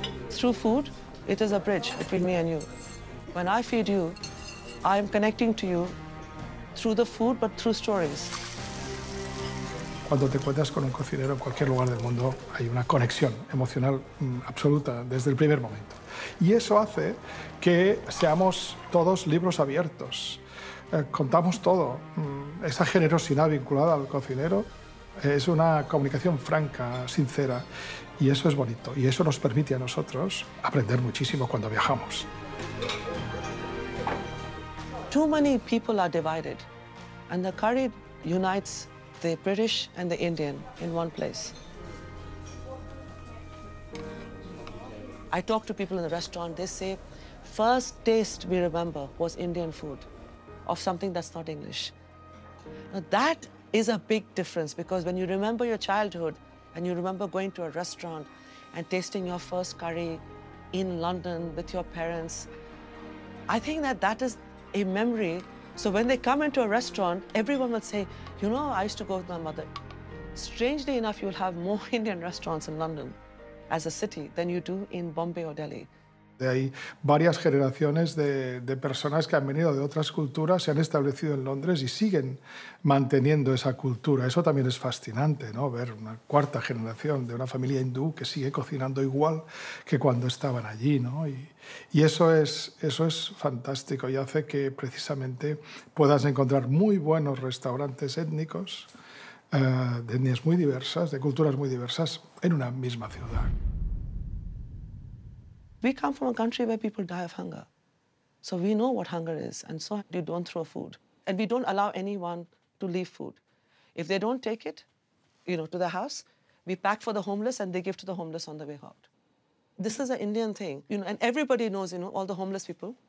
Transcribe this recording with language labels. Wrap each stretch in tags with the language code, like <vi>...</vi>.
<en>Through food, it is a bridge between me and you. When I feed you, I am connecting to you through the food, but through stories.</en> <es>Cuando te encuentras con un cocinero en cualquier lugar del mundo, hay una conexión emocional absoluta desde el primer momento. Y eso hace que seamos todos libros abiertos. Contamos todo. Esa generosidad vinculada al cocinero es una comunicación franca, sincera. Y eso es bonito. Y eso nos permite a nosotros aprender muchísimo cuando viajamos.</es> <en>Too many people are divided, and the curry unites the British and the Indian in one place. I talk to people in the restaurant, they say, first taste we remember was Indian food, of something that's not English. Now that is a big difference, because when you remember your childhood, and you remember going to a restaurant and tasting your first curry in London with your parents, I think that that is a memory. So when they come into a restaurant, everyone will say, you know, I used to go with my mother. Strangely enough, you'll have more Indian restaurants in London as a city than you do in Bombay or Delhi.</en> <es>Hay varias generaciones de personas que han venido de otras culturas, se han establecido en Londres y siguen manteniendo esa cultura. Eso también es fascinante, ¿no? Ver una cuarta generación de una familia hindú que sigue cocinando igual que cuando estaban allí, ¿no? Y eso es fantástico y hace que precisamente puedas encontrar muy buenos restaurantes étnicos, de etnias muy diversas, de culturas muy diversas, en una misma ciudad.</es> <en>We come from a country where people die of hunger. So we know what hunger is, and so you don't throw food. And we don't allow anyone to leave food. If they don't take it, you know, to the house, we pack for the homeless and they give to the homeless on the way out. This is an Indian thing, you know, and everybody knows, you know, all the homeless people.</en>